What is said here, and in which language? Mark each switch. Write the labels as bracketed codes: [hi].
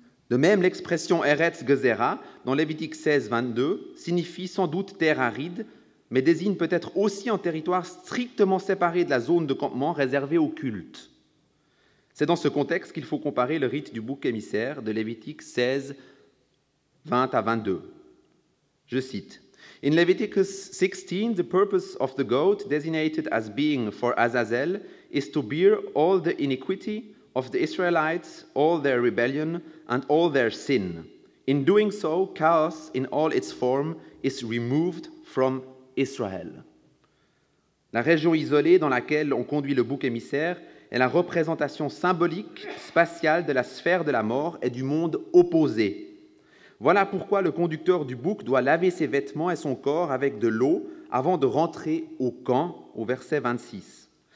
[fr] De même, l'expression Eretz Gezera, dans Lévitique 16, 22, signifie sans doute terre aride, mais désigne peut-être aussi un territoire strictement séparé de la zone de campement réservée au culte. C'est dans ce contexte qu'il faut comparer le rite du bouc émissaire de Lévitique 16, 20 à 22. Je cite. [en] In Leviticus 16, the purpose of the goat, designated as being for Azazel, is to bear all the iniquity of the Israelites, all their rebellion, and all their sin. In doing so, chaos in all its form is removed from Israel. [fr] La région isolée dans laquelle on conduit le bouc émissaire est la représentation symbolique, spatiale de la sphère de la mort et du monde opposé. Voilà pourquoi le conducteur du bouc doit laver ses vêtements et son corps avec de l'eau avant de rentrer au camp, au verset 26.